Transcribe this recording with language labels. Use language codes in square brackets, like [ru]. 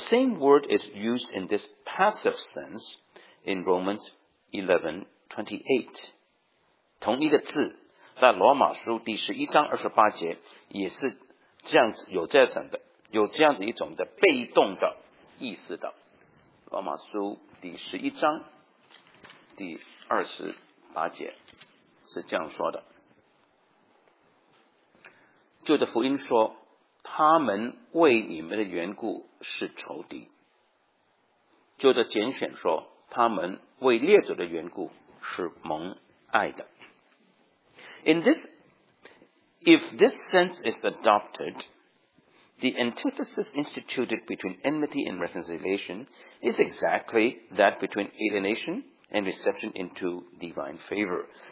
[en] same word is used in this passive sense in Romans 11:28. [zh] 同一个字,在罗马书第十一章二十八节,也是这样子,有这样子的。有这样子一种的被动的意思的，罗马书第十一章第二十八节是这样说的：旧的福音说他们为你们的缘故是仇敌，旧的拣选说他们为列祖的缘故是蒙爱的。In [en] this, if this sense is adopted, the antithesis instituted between enmity and reconciliation is exactly that between alienation and reception into divine favor.